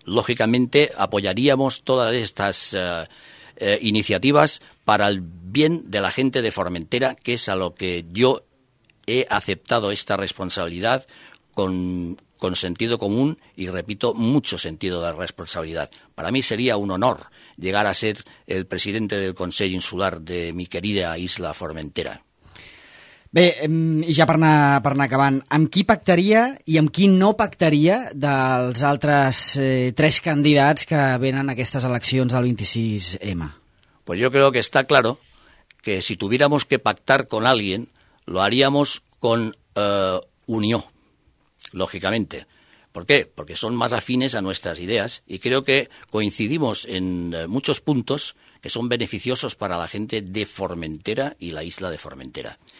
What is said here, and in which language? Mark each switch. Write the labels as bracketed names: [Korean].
[Spanish] Lógicamente, apoyaríamos todas estas iniciativas para el bien de la gente de Formentera, que es a lo que yo he aceptado esta responsabilidad con sentido común y, repito, mucho sentido de responsabilidad. Para mí sería un honor llegar a ser el presidente del Consell Insular de mi querida isla Formentera. [Catalan] Bé, i ja per anar acabant, amb qui pactaria i amb qui no pactaria dels altres tres candidats que venen a aquestes eleccions del 26M? [Spanish] Pues yo creo que está claro que si tuviéramos que pactar con alguien, lo haríamos con Unió, lógicamente. ¿Por qué? Porque son más afines a nuestras ideas y creo que coincidimos en muchos puntos que son beneficiosos para la gente de Formentera y la isla de Formentera.